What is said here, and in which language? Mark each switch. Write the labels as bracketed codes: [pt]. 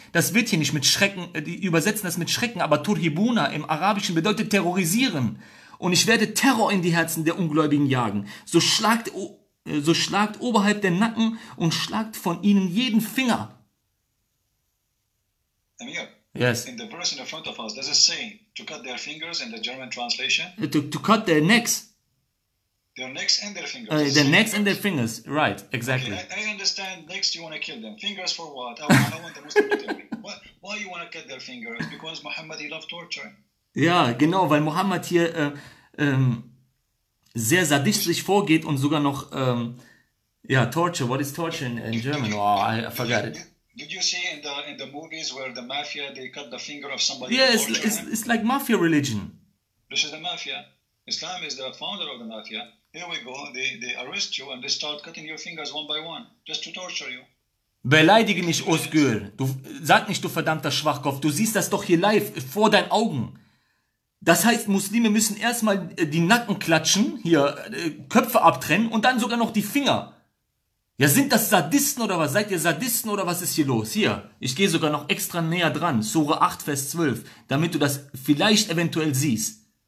[de] Das wird hier nicht mit Schrecken, die übersetzen das mit Schrecken, aber Turhibuna im Arabischen bedeutet terrorisieren. Und ich werde Terror in die Herzen der Ungläubigen jagen. So schlagt oberhalb der Nacken und schlagt von ihnen jeden Finger. [en] Amir, yes. In the verse in front of us, does it say to cut their fingers in the German translation? To cut their necks. Their necks and their fingers. Their necks and their fingers, right, exactly. Okay, I understand, next you want to kill them. Fingers for what? I want the Muslim to tell me. Why you want to cut their fingers? Because Muhammad, he loved torture. [de] Ja, genau, weil Muhammad hier sehr sadistisch vorgeht und sogar noch, torture. [en] What is torture in German? I forgot it. Did you see in the movies where the mafia, they cut the finger of somebody? Yeah, it's like mafia religion. This is the mafia. Islam is the founder of the mafia. Here we go, they arrest you and they start cutting your fingers one by one, just to torture you. [de] Beleidige nicht, Özgür. Du sag nicht, du verdammter Schwachkopf. Du siehst das doch hier live, vor deinen Augen. Das heißt, Muslime müssen erstmal die Nacken klatschen, hier Köpfe abtrennen und dann sogar noch die Finger. Ja, sind das Sadisten oder was? Seid ihr Sadisten oder was ist hier los? Hier, ich gehe sogar noch extra näher dran, Sure 8, Vers 12, damit du das vielleicht eventuell siehst.